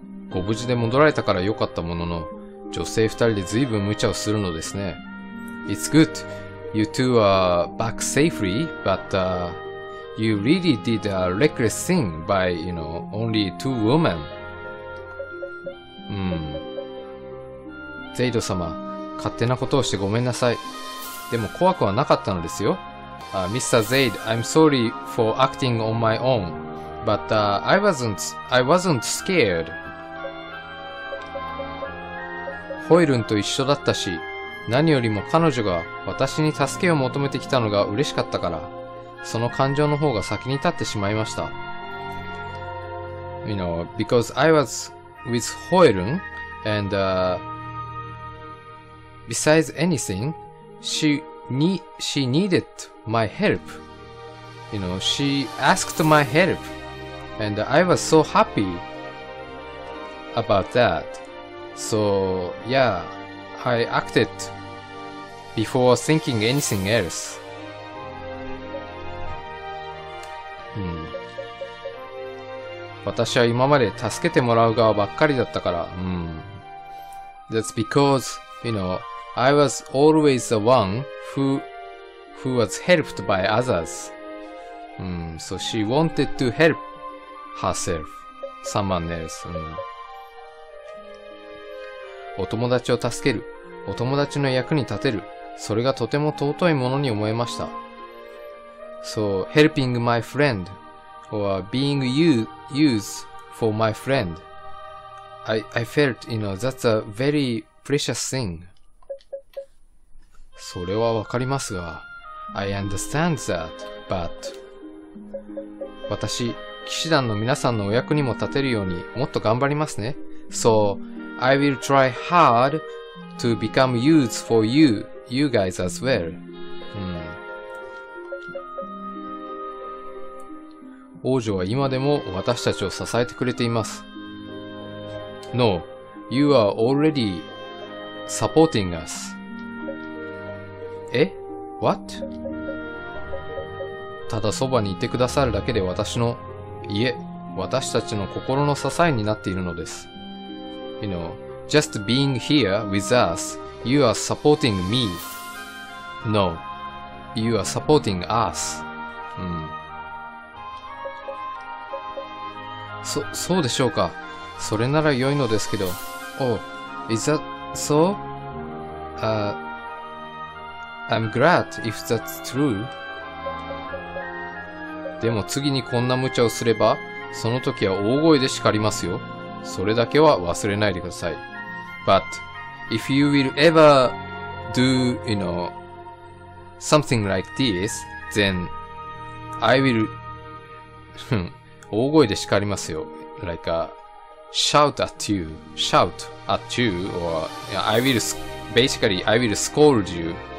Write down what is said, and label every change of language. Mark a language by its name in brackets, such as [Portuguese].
[Japanese] ご無事で戻られたからよかったものの、女性二人で随分無茶をするのですね。 [English] It's good. You two are back safely, but you really did a reckless thing by, you know, only two women. [Japanese] ゼイド様、勝手なことをしてごめんなさい。でも怖くはなかったのですよ。 [English] Mr. Zaid, I'm sorry for acting on my own, but I wasn't scared. [Japanese] ホイルンと一緒だったし、何よりも彼女が私に助けを求めてきたのが嬉しかったから、その感情の方が先に立ってしまいました。 [English] You know, because I was with Hoyrun, and besides anything, she needed my help. You know, she asked my help, and I was so happy about that. So, yeah, I acted. Before thinking anything else. [Japanese] 私は今まで助けてもらう側ばっかりだったから。 [English] That's because, you know, I was always the one who was helped by others. So she wanted to help herself, someone else. [Japanese] お友達を助ける。お友達の役に立てる。それがとても尊いものに思えました。 [English] So, helping my friend, or being used for my friend, I felt, you know, that's a very precious thing. [Japanese] それはわかりますが、 [English] I understand that, but [Japanese] 私、騎士団の皆さんのお役にも立てるようにもっと頑張りますね。 [English] So, I will try hard to become used for you guys as well. [Japanese] 王女は今でも私たちを支えてくれています。 [English] No, you are already supporting us. え?What? [Japanese] ただそばにいてくださるだけで私の、いえ、私たちの心の支えになっているのです。 [English] You know, just being here with us, you are supporting me.No, you are supporting us. [Japanese] うん。そうでしょうか。それなら良いのですけど。 [English] Oh, is that so? I'm glad if that's true. [Japanese] でも次にこんな無茶をすれば、その時は大声で叱りますよ。それだけは忘れないでください。 [English] But if you will ever do, you know, something like this, then I will [Japanese] 大声で叱りますよ。 [English] Like a shout at you, shout at you, or I will basically I will scold you.